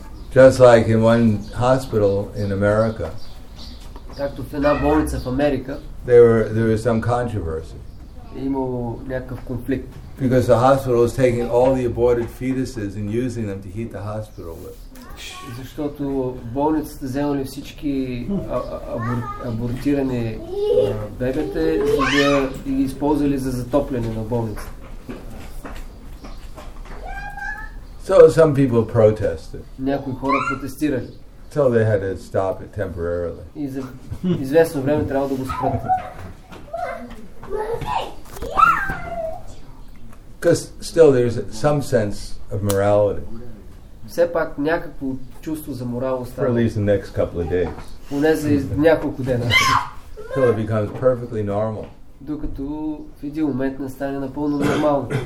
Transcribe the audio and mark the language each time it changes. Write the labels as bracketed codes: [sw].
[en] Just like in one hospital in America, there was some controversy. Because the hospital is taking all the aborted fetuses and using them to heat the hospital with. [bg] Защото болницата вземали всички абортирани бебета и ги използвали за затопляне на болница. [en] So some people protested. [bg] Някои хора протестирали. [en] So they had to stop it temporarily. [bg] И за известно време трябва да го спрат. [en] Because still there's some sense of morality. [bg] Все пак някакво чувство за морал остава. [en] For at least the next couple of days. [bg] Поне за няколко дена. [en] Till it becomes perfectly normal. [bg] Докато в един момент не стане напълно нормално.